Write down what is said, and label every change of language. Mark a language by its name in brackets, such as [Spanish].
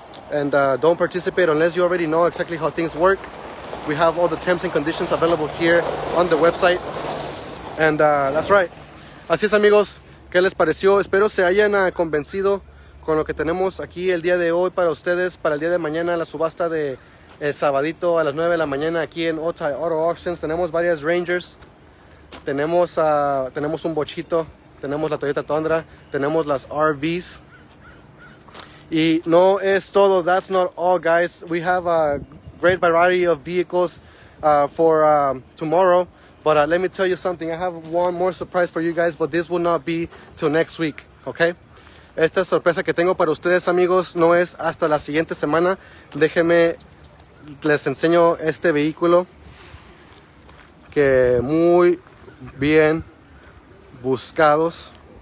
[English] And don't participate unless you already know exactly how things work. We have all the terms and conditions available here on the website. And that's right. [Spanish] Así es, amigos. ¿Qué les pareció? Espero se hayan convencido con lo que tenemos aquí el día de hoy para ustedes, para el día de mañana, la subasta de... El sabadito a las 9 de la mañana aquí en Altai Auto Auctions. Tenemos varias Rangers. Tenemos un bochito. Tenemos la Toyota Tundra. Tenemos las RVs. Y no es todo. [English] That's not all, guys. We have a great variety of vehicles for tomorrow. But let me tell you something. I have one more surprise for you guys. But this will not be till next week. Okay? [Spanish] Esta sorpresa que tengo para ustedes, amigos, no es hasta la siguiente semana. Déjenme... Les enseño este vehículo que muy bien buscados.